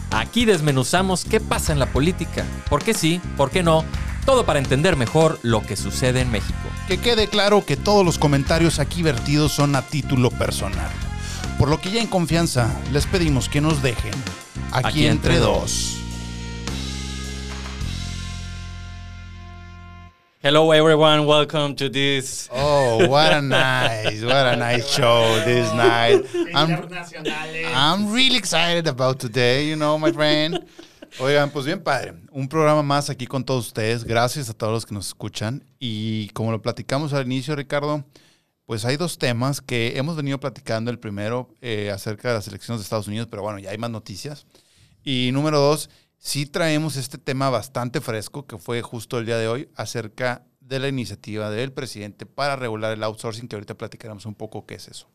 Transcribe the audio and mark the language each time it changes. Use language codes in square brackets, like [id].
[es] Aquí desmenuzamos qué pasa en la política, por qué sí, por qué no. Todo para entender mejor lo que sucede en México. Que quede claro que todos los comentarios aquí vertidos son a título personal. Por lo que ya en confianza les pedimos que nos dejen aquí entre dos. [en] Hello everyone, welcome to this. Oh, what a nice show this night. I'm really excited about today, you know, my friend. [es] Oigan, pues bien padre, un programa más aquí con todos ustedes, gracias a todos los que nos escuchan. Y como lo platicamos al inicio, Ricardo, pues hay dos temas que hemos venido platicando. El primero, acerca de las elecciones de Estados Unidos, pero bueno, ya hay más noticias. Y número dos, sí traemos este tema bastante fresco, que fue justo el día de hoy, acerca de la iniciativa del presidente para regular el outsourcing, que ahorita platicaremos un poco qué es eso.